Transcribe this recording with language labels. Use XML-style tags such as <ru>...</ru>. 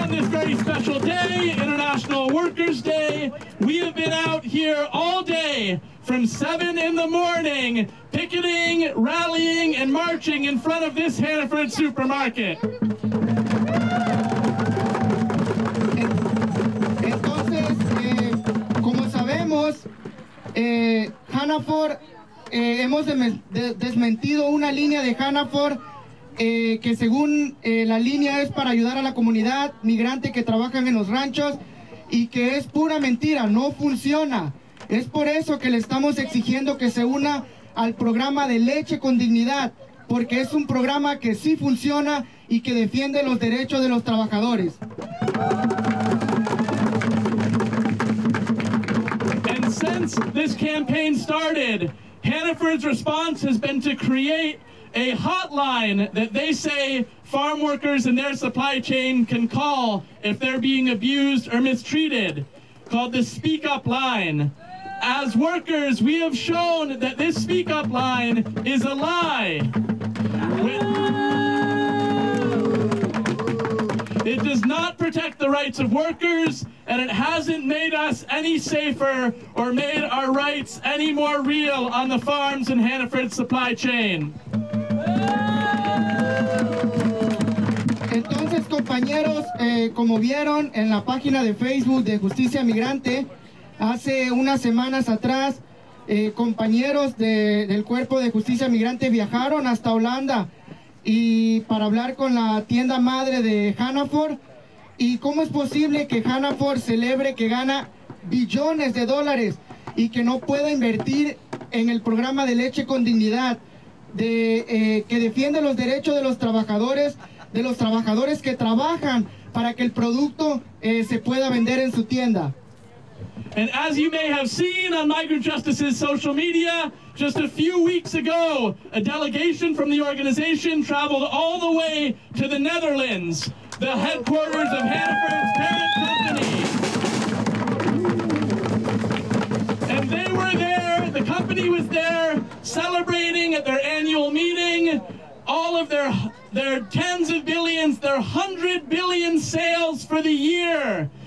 <en>Day, International Workers Day, we have been out here all day from 7 in the morning, picketing, rallying, and marching in front of this Hannaford supermarket.</en> <es>Entonces, como sabemos, Hannaford, hemos desmentido una línea de Hannaford. Que según la línea es para ayudar a la comunidad migrante que trabajan en los ranchos y que es pura mentira, no funciona. Es por eso que le estamos exigiendo que se una al programa de Leche con Dignidad, porque es un programa que sí funciona y que defiende los derechos de los trabajadores.</es> <en>And since this campaign started, Hannaford's response has been to create a hotline that they say farm workers in their supply chain can call if they're being abused or mistreated, called the Speak Up Line. As workers, we have shown that this speak up line is a lie. It does not protect the rights of workers, and it hasn't made us any safer or made our rights any more real on the farms and Hannaford supply chain.</en> <es>Entonces, compañeros, como vieron en la página de Facebook de Justicia Migrante, hace unas semanas atrás, compañeros del Cuerpo de Justicia Migrante viajaron hasta Holanda y para hablar con la tienda madre de Hannaford. ¿Y cómo es posible que Hannaford celebre que gana billones de dólares y que no pueda invertir en el programa de Leche con Dignidad, que defiende los derechos de los trabajadores, que trabajan para que el producto se pueda vender en su tienda?</es> <en>And as you may have seen on Migrant Justice's social media, just a few weeks ago, a delegation from the organization traveled all the way to the Netherlands, the headquarters of Hannaford's parent company. And they were there, the company was there, celebrating at their annual meeting all of their tens of billions, their 100 billion sales for the year.</en>